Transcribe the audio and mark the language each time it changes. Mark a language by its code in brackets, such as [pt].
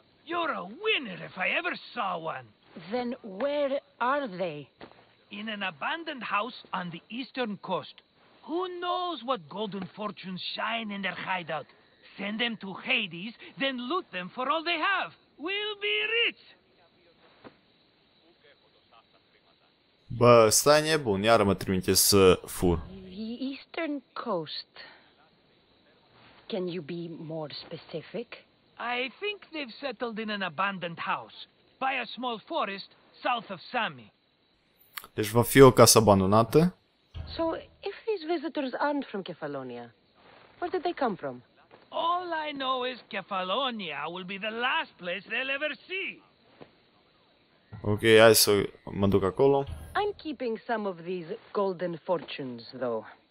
[en] You're a winner if I ever saw one. Then where are they? In an abandoned house on the eastern coast. Who knows what golden fortunes shine in their hideout? send them to Hades, then loot them for all they have. We'll be rich! [ro] Bă, stai nebun, iară mă trimite să fur. [en] The Eastern Coast. Can you be more specific? I think they've settled in an abandoned house by a small forest south of Sami. [ro] Deci va fi o casă abandonată? [en] So, if these visitors aren't from Kefalonia, where did they come from? All I know is Kefalonia will be the last place they'll ever see. [ro] Ok, hai să mă duc acolo. [en] I'm keeping some of these golden fortunes, though.